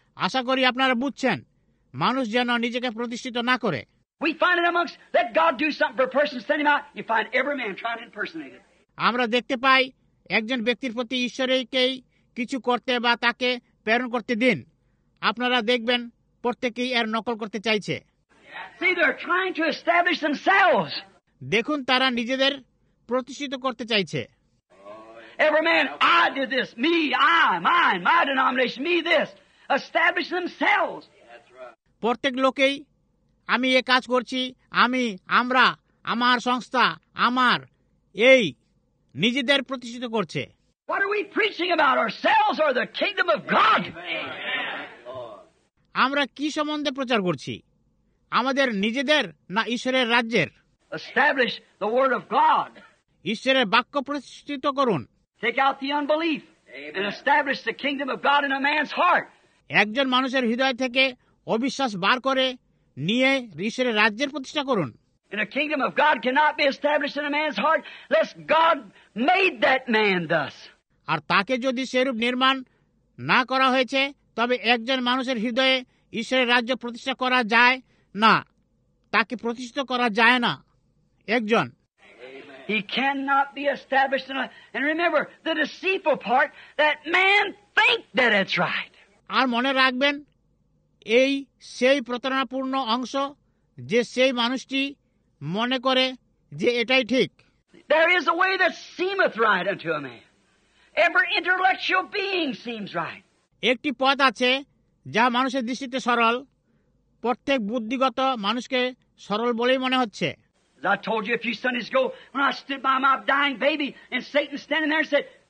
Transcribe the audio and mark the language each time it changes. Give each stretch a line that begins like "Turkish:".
Bangla: আশা করি আপনারা বুঝছেন, মানুষ যেন নিজেকে প্রতিষ্ঠিত না করে।
English: We find it amongst, let God do something for a person, send him out, you find every man trying to impersonate it.
Bangla: আমরা দেখতে পাই একজন ব্যক্তির প্রতি ঈশ্বরকেই কিছু করতে বা তাকে প্রেরণ করতে দিন, আপনারা দেখবেন প্রত্যেকেই এর নকল করতে চাইছে।
English: See, they're trying to establish themselves.
Bangla: দেখুন তারা নিজেদের প্রতিষ্ঠিত করতে চাইছে।
English: Every man, I did this, me, I, mine, my denomination, me, this, establish themselves.
Bangla: প্রত্যেক লোকেই আমি এ কাজ করছি, আমি, আমরা, আমার সংস্থা, আমার, এই নিজেদের প্রতিষ্ঠিত করছে।
English: What are we preaching about, ourselves or the kingdom of God?
Bangla: আমরা কি সম্বন্ধে প্রচার করছি, আমাদের নিজেদের না ঈশ্বরের রাজ্যের?
English: Establish the word of God.
Bangla: ঈশ্বরের বাক্য প্রতিষ্ঠিত করুন।
English: Take out the unbelief and establish the kingdom of God in a man's heart.
Bangla: একজন মানুষের হৃদয় থেকে অবিশ্বাস বার করে নিয়ে ঈশ্বরের রাজ্যের প্রতিষ্ঠা করুন।
English: And a kingdom of God cannot be established in a man's heart unless God made that man thus.
Bangla: আর তাকে যদি সেরূপ নির্মাণ না করা হয়েছে তবে একজন মানুষের হৃদয়ে ঈশ্বরের রাজ্য প্রতিষ্ঠা করা যায় না, তাকে প্রতিষ্ঠিত করা যায় না। একজন
English: He cannot be established in a... And remember, the deceitful part, that man thinks that it's right.
Bangla: আর মনে রাখবেন, এই সেই প্রতারণাপূর্ণ অংশ, যে সেই মানুষটি মনে করে যে এটাই ঠিক।
English: There is a way that seemeth right unto a man. Every intellectual being seems right.
Bangla: একটি পথ আছে যা মানুষের দৃষ্টিতে সরল, প্রত্যেক বুদ্ধিগত মানুষকে সরল বলেই মনে হচ্ছে।
English: I told you a few Sundays ago when I stood by my dying baby and Satan standing there said